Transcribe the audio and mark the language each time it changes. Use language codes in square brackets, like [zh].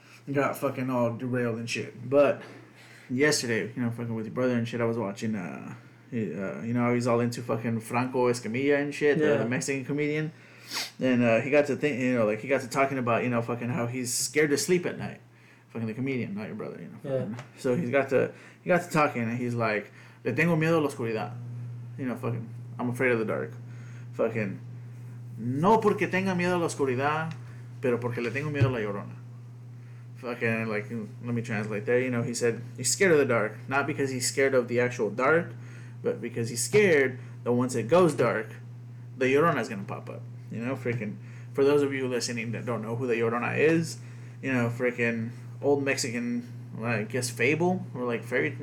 [en] Got fucking all derailed and shit. But yesterday, you know, fucking with your brother and shit, I was watching, you know, he's all into fucking Franco Escamilla and shit, yeah. The Mexican comedian. And he got to think, you know, like, he got to talking about, you know, fucking how he's scared to sleep at night. Fucking the comedian, not your brother, you know. Yeah. So he got to talking, and he's like, [es] le tengo miedo a la oscuridad. [en] You know, fucking, I'm afraid of the dark. [es] Fucking, no porque tenga miedo a la oscuridad, pero porque le tengo miedo a la llorona. [en] Fucking, like, let me translate there. You know, he said he's scared of the dark, not because he's scared of the actual dark, but because he's scared that once it goes dark, the Llorona is gonna pop up. You know, freaking, for those of you listening that don't know who the Llorona is, you know, freaking old Mexican, like, I guess, fable or like fairy.